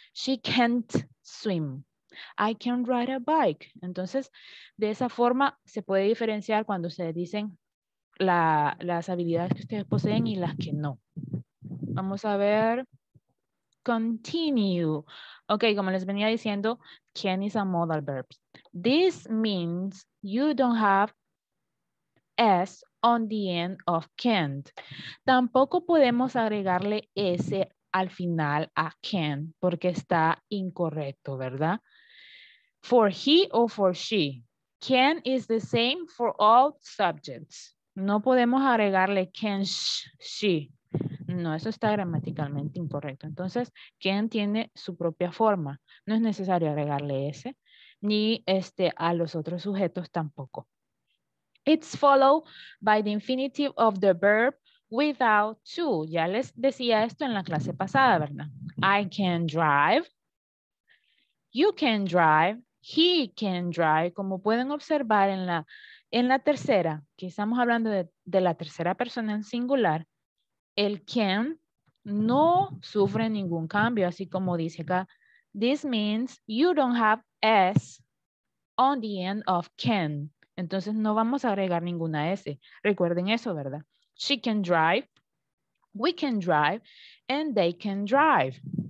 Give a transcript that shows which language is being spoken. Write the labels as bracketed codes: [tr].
[en] She can't swim. I can ride a bike. [es] Entonces, de esa forma se puede diferenciar cuando ustedes dicen las habilidades que ustedes poseen y las que no. Vamos a ver [en] continue. Okay, [es] como les venía diciendo, [en] can is a modal verb. This means you don't have S on the end of can't. [es] Tampoco podemos agregarle S al final a can porque está incorrecto, ¿verdad? [en] For he or for she, can is the same for all subjects. [es] No podemos agregarle can she. No, eso está gramaticalmente incorrecto. Entonces, can tiene su propia forma. No es necesario agregarle S ni este a los otros sujetos tampoco. [en] It's followed by the infinitive of the verb without to. [es] Ya les decía esto en la clase pasada, ¿verdad? [en] I can drive. You can drive. He can drive. [es] Como pueden observar en la tercera, que estamos hablando de la tercera persona en singular, el can no sufre ningún cambio, así como dice acá. [en] This means you don't have S on the end of can. [es] Entonces no vamos a agregar ninguna S. Recuerden eso, ¿verdad? [en] She can drive, we can drive, and they can drive.